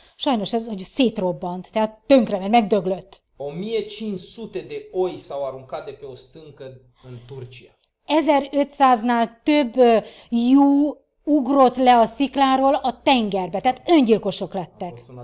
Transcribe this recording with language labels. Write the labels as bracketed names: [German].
[Hungarian] Sajnos ez, hogy szétrobbant, tehát tönkre ment, megdöglött. [Romanian] 1500 de oi s-au aruncat de pe o stâncă în Turcia. [Hungarian] 1500-nál több jó ugrott le a szikláról a tengerbe, tehát öngyilkosok lettek.